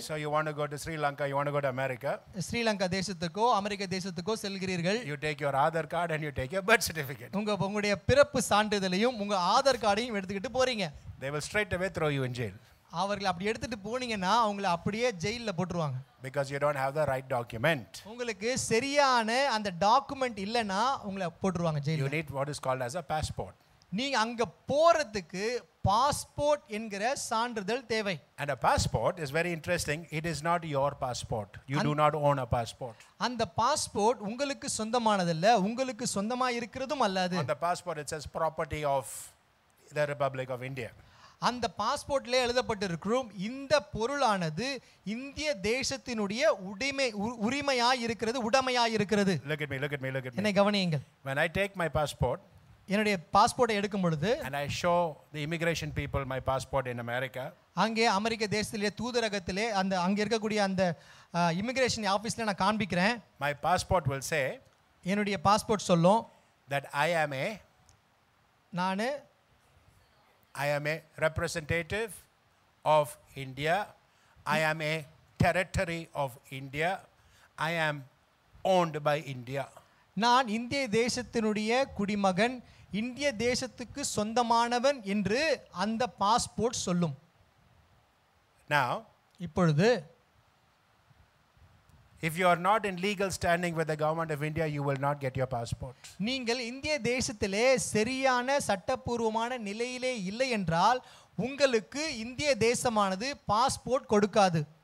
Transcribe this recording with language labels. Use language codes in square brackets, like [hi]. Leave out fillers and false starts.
[en] So you want to go to Sri Lanka, you want to go to America. [ta] Sri Lanka தேசத்துக்கோ அமெரிக்க தேசத்துக்கோ செல்கிறீர்கள். [en] You take your Aadhar card and you take your birth certificate. [ta] உங்களுடைய பிறப்பு சான்றிதழையும் உங்க Aadhar கார்டையும் எடுத்துக்கிட்டு போறீங்க. [en] They will straight away throw you in jail. [ta] அவர்கள் அப்படி எடுத்துட்டு போனீங்கன்னா அவங்களை அப்படியே ஜெயிலில் போட்டுருவாங்க. [en] Because you don't have the right document. [ta] உங்களுக்கு சரியான அந்த டாக்குமெண்ட் இல்லைனா உங்களை போட்டுருவாங்க ஜெயிலில். [en] You need what is called as a passport. [ta] நீங்க அங்க போறதுக்கு பாஸ்போர்ட் என்கிற சான்றிதழ் தேவை. [en] And a passport is very interesting. It is not your passport. You do not own a passport. [ta] அந்த பாஸ்போர்ட் உங்களுக்கு சொந்தமானதல்ல, உங்களுக்கு சொந்தமா இருக்கிறதும் அல்லது. [en] On the passport it says property of the Republic of India. [ta] அந்த பாஸ்போர்ட்ல எழுதப்பட்டிருக்கும் இந்த பொருளானது இந்திய தேசத்தினுடைய உடைமையாயிருக்கிறது. [en] Look at me, look at me, look at me. [ta] என்னை கவனியுங்கள். [en] When I take my passport, [ta] என்னுடைய பாஸ்போர்ட்டை எடுக்கும் பொழுது, [en] and I show the immigration people my passport in America, [ta] அங்கே அமெரிக்க தேசத்திலே தூதரகத்திலே அந்த அங்கே இருக்கக்கூடிய அந்த இமிகிரேஷன் ஆபீஸ்ல நான் காண்பிக்கிறேன். [en] My passport will say, [ta] என்னுடைய பாஸ்போர்ட் சொல்லும், [en] that I am a representative of India, I am a territory of India, I am owned by India. [ta] நான் இந்திய தேசத்தினுடைய குடிமகன், இந்திய தேசத்துக்கு சொந்தமானவன் என்று அந்த பாஸ்போர்ட் சொல்லும். [en] Now, [ta] இப்பொழுது [en] if you are not in legal standing with the government of India, you will not get your passport. [ta] நீங்கள் இந்திய தேசத்திலே சரியான சட்டப்பூர்வமான நிலையிலே இல்லை என்றால் உங்களுக்கு இந்திய தேசமானது பாஸ்போர்ட் கொடுக்காது.